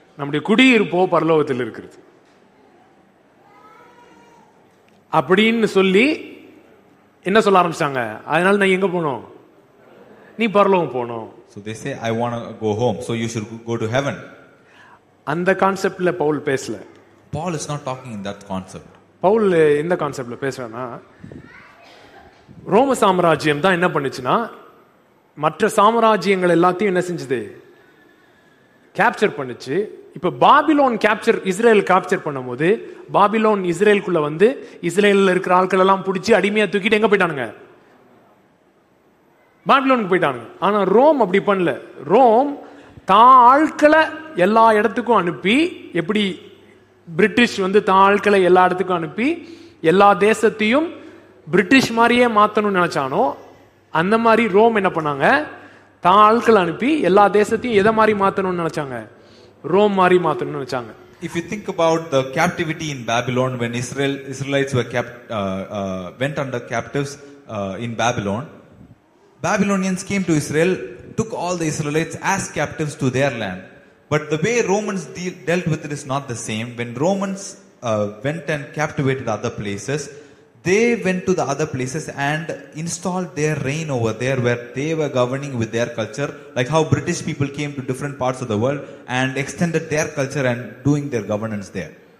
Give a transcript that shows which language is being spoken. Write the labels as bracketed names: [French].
[Tamil] நம்முடைய குடியிருப்போ பரலோகத்தில் இருக்கிறது அப்படின்னு சொல்லி என்ன சொல்ல ஆரம்பிச்சாங்க, அதனால நான் எங்க போறோம், நீ பரலோகம் போறோம். [English] So they say, I want to go home, so you should go to heaven. [Tamil] அந்த கான்செப்ட்ல பவுல் பேசல. [English] Paul is not talking in that concept. [Tamil] Pavul இந்த கான்செப்ட்ல பேசுறானா, ரோம சாம்ராஜ்யம் தான் என்ன பண்ணுச்சுனா மற்ற சாம்ராஜ்யங்கள் எல்லாத்தையும் என்ன செஞ்சது, கேப்சர் பண்ணுச்சு. இப்ப பாபிலோன் கேப்சர், இஸ்ரேல் கேப்சர் பண்ணும் போது பாபிலோன் இஸ்ரேலுக்குள்ள வந்து இஸ்ரேல இருக்கிற ஆட்கள் எல்லாம் பிடிச்சி அடிமையா தூக்கிட்டு எங்க போயிட்டானுங்க, பாபிலோனுக்கு போயிட்டானுங்க. ஆனா ரோம் அப்படி பண்ணல, ரோம் தான் ஆட்களை எல்லா இடத்துக்கும் அனுப்பி, எப்படி பிரிட்டிஷ் வந்து தான் ஆட்களை எல்லா இடத்துக்கும் அனுப்பி எல்லா தேசத்தையும் பிரிட்டிஷ் மாதிரியே மாத்தணும்னு நினைச்சானோ, அந்த மாதிரி ரோம் என்ன பண்ணாங்க, தான் ஆட்கள் அனுப்பி எல்லா தேசத்தையும் எதை மாதிரி மாத்தணும்னு நினைச்சாங்க, ரோம் மாதிரி மாத்தணும்னு நினைச்சாங்க. [English] If you think about the captivity in Babylon, when Israelites were went under captives in Babylon, Babylonians came to Israel, took all the Israelites as captives to their land. But the way Romans dealt with it is not the same. When Romans went and captivated other places, they went to the other places and installed their reign over there, where they were governing with their culture, like how British people came to different parts of the world and extended their culture and doing their governance there.